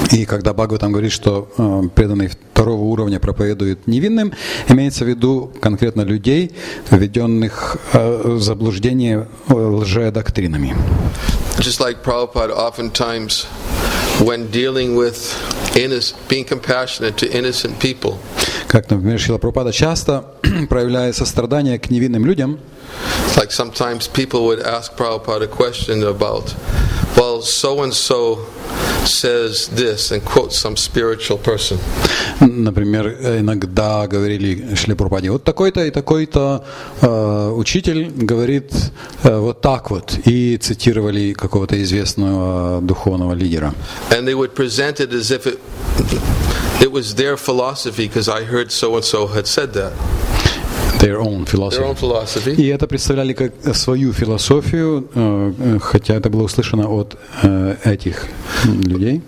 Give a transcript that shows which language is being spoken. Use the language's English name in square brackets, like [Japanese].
[Russian] И когда Бхагаватам говорит, что преданный второго уровня проповедует невинным, имеется в виду конкретно людей, введенных в заблуждение лжедоктринами. [English] Just like Prabhupada, oftentimes when dealing with being compassionate to innocent people. [Russian] Как, например, Шрила Прабхупада часто проявляя сострадание к невинным людям. [English] Like sometimes people would ask Prabhupada a question about, well, so and so says this and quotes some spiritual person. [Russian] Например, иногда говорили Шрила Прабхупаде, вот такой-то и такой-то учитель говорит вот так вот, и цитировали какого-то известного духовного лидера. [English] And they would present it as if it was their philosophy, because I heard so and so had said that. Their own philosophy. [Russian] И это представляли как свою философию, хотя это было услышано от этих людей.